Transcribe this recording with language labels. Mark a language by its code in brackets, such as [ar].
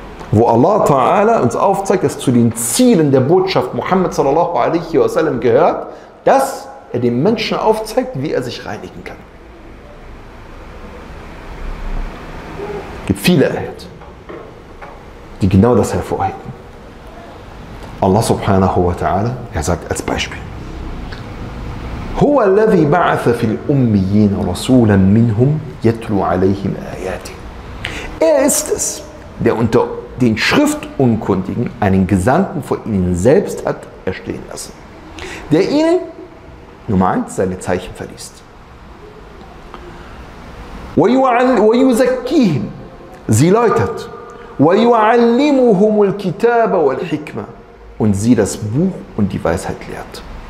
[de] Wo Allah Ta'ala uns aufzeigt, dass zu den Zielen der Botschaft Muhammad sallallahu alaihi wa sallam gehört, dass er dem Menschen aufzeigt, wie er sich reinigen kann. Es gibt viele Ayat, die genau das hervorheben. [ar] Allah subhanahu wa ta'ala, [de] er sagt als Beispiel: [ar] هُوَ الَّذِي بَعَثَ فِي الْأُمِّيِّينَ رَسُولًا مِّنْهُمْ يَتْلُوا عَلَيْهِمْ آيَاتِهِ. [de] Er ist es, der unter den Schriftunkundigen einen Gesandten vor ihnen selbst hat erstehen lassen, der ihnen, Nummer 1, seine Zeichen verliest. [ar] وَيُزَكِّيهِمْ, [de] sie läutert. [ar] وَيُعَلِّمُهُمُ الْكِتَابَ وَالْحِكْمَ, [de] und sie das Buch und die Weisheit lehrt.